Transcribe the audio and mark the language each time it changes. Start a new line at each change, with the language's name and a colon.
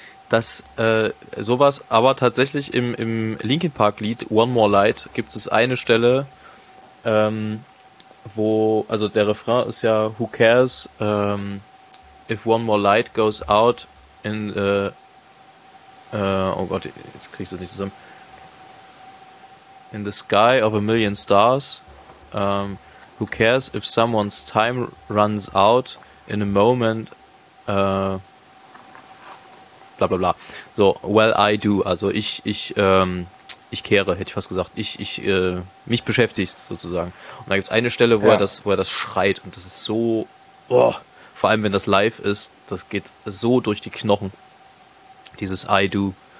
German: Das sowas, aber tatsächlich im Linkin Park Lied One More Light gibt es eine Stelle, wo, also der Refrain ist ja
English: Who cares if one more light goes out in
German: oh Gott, jetzt kriege ich das nicht zusammen.
English: In the sky of a million stars, who cares if someone's time runs out in a moment, blablabla.
German: Bla bla.
English: So, well I do,
German: also ich kehre, hätte ich fast gesagt. Ich mich beschäftigt sozusagen. Und da gibt es eine Stelle, wo er das schreit und das ist so, oh, vor allem wenn das live ist, das geht so durch die Knochen, dieses
English: I do.